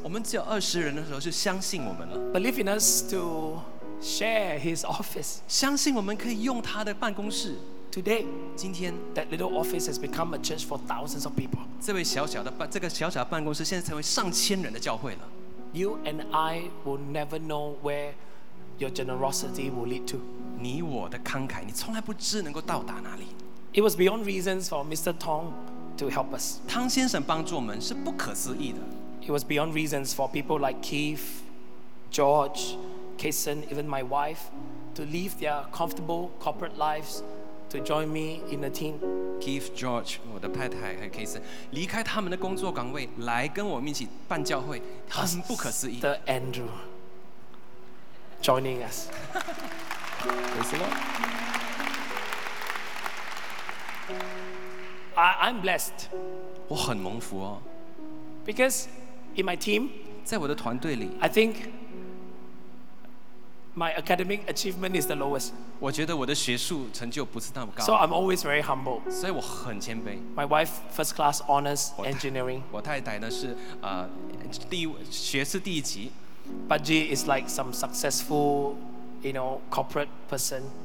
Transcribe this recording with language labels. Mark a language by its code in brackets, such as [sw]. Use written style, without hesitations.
[zh] 我们只有二十人的时候就相信我们了。 [en] Believed in us to share his office. [zh] 相信我们可以用他的办公室。 [en] Today, [zh] 今天， [en] that little office has become a church for thousands of people. [zh] 这个小小的办公室现在成为上千人的教会了。 [en] You and I will never know where your generosity will lead to. [zh] 你我的慷慨，你从来不知能够到达哪里。 [en] It was beyond reasons for Mr. Tong to help us. [zh] 汤先生帮助我们是不可思议的。 [en] It was beyond reasons for people like Keith, George, Kason, even my wife, to leave their comfortable corporate lives to join me in the team. [zh] Give George, 我的太太和 Kason 离开他们的工作岗位来跟我们一起办教会，很不可思议。 [en] The Andrew joining us. Praise the Lord. I'm blessed. [zh] 我很蒙福哦。 [en] Because in my team, [zh] 在我的团队里 [en] I think my academic achievement is the lowest. [zh] 我觉得我的学术成就不是那么高。 [en] So I'm always very humble. [zh] 所以我很谦卑。 [en] My wife, first class honors engineering. [zh] 我太太呢是第一学士第一级。 [en] Baji is like some successful, you know, corporate person.